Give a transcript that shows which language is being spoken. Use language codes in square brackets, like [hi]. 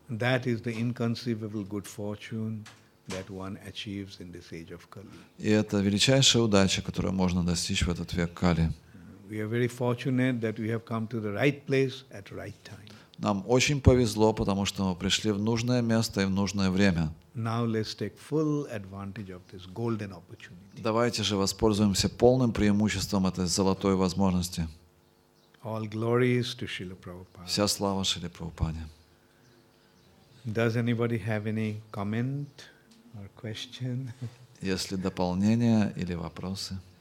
[en] That is the inconceivable good fortune that one achieves in this age of Kali. [ru] И это величайшая удача, которую можно достичь в этот век Кали. [en] We are very fortunate that we have come to the right place at right time. [ru] Нам очень повезло, потому что мы пришли в нужное место и в нужное время. [en] Now let's take full advantage of this golden opportunity. [ru] Давайте же воспользуемся полным преимуществом этой золотой возможности. [en] All glories to Srila Prabhupada. [ru] Вся слава Шриле Прабхупаде. [en] Does anybody have any comment or question? [ru] Есть ли дополнения или вопросы?